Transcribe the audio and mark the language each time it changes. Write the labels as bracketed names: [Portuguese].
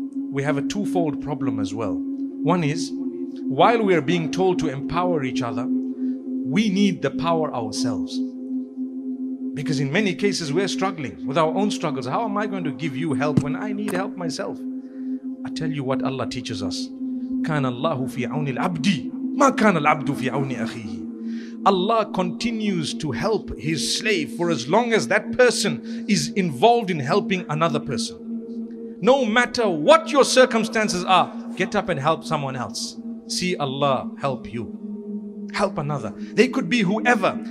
[English] We have a twofold problem as well. One is, while we are being told to empower each other, we need the power ourselves. Because in many cases, we're struggling with our own struggles. How am I going to give you help when I need help myself? I tell you what Allah teaches us. [Arabic] كان الله في عون العبد ما كان العبد في عون أخيه. [English] Allah continues to help his slave for as long as that person is involved in helping another person. No matter what your circumstances are, get up and help someone else. See Allah help you. Help another. They could be whoever.